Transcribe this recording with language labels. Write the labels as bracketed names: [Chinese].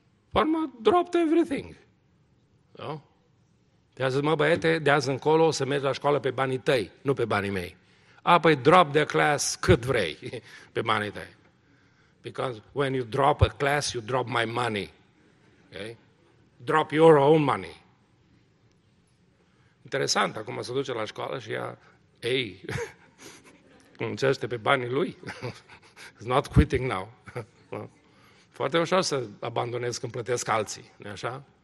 [English] Parma dropped everything. No? [Romanian] De azi, mă, băiete, de azi încolo o să mergi la școală pe banii tăi, nu pe banii mei. Păi [English] drop the class [Romanian] cât vrei pe banii tăi. [English] Because when you drop a class, you drop my money. Okay? Drop your own money. [Romanian] Interesant, acum se duce la școală și ea, ei, încerce pe banii lui. [English] It's not quitting now. [Romanian] Foarte ușor să abandonez când plătesc alții, nu-i așa?